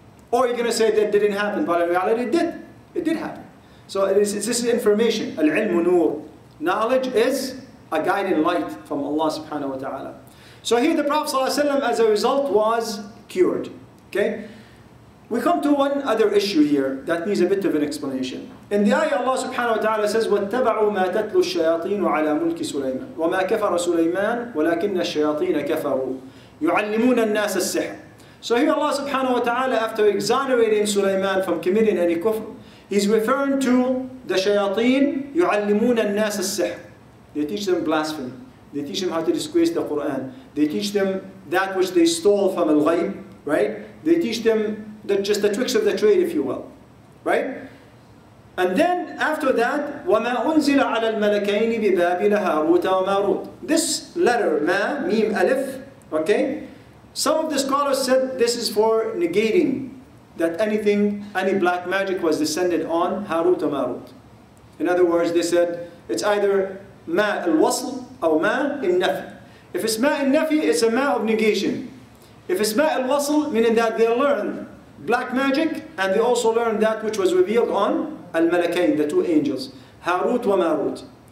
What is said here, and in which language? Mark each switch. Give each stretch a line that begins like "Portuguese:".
English: Or you're going to say that didn't happen, but in reality it did. It did happen. So this is information. Al-ilmu nur. Knowledge is a guiding light from Allah subhanahu wa ta'ala. So here the Prophet sallallahu alaihi wasallam, as a result, was cured. Okay? We come to one other issue here that needs a bit of an explanation. In the ayah, Allah subhanahu wa ta'ala says,
Arabic: وَاتَّبَعُوا مَا تَتْلُوا الشَّيَاطِينُ عَلَى مُلْكِ سُلَيْمَانَ وَمَا كَفَرَ سُلَيْمَانَ وَلَكِنَّ الشَّيَاطِينَ كَفَرُوا يُعَلِّمُونَ النَّاسَ السِّحْرَ.
English: So here Allah subhanahu wa ta'ala, after exonerating Sulaiman from committing any kufr, he's referring to the shayateen,
Arabic: يُعَلِّمُونَ النَّاسَ السِّحْرَ.
English: They teach them blasphemy. They teach them how to disgrace the Quran. They teach them that which they stole from al-ghayb, right? They teach them just the tricks of the trade, if you will, right? And then after that,
Arabic: وَمَا أُنزِلَ عَلَى الْمَلَكَيْنِ بِبَابِلَ هَارُوتَ وَمَارُوتَ.
English: This letter, ma, mim, alif, okay? Some of the scholars said this is for negating that anything, any black magic was descended on Harut and Marut. In other words, they said it's either ma al-wasl or ma al-nafi. If it's ma al-nafi, it's a ma of negation. If it's ma al-wasl, meaning that they learned black magic and they also learned that which was revealed on al-malakain, the two angels, Harut and Marut.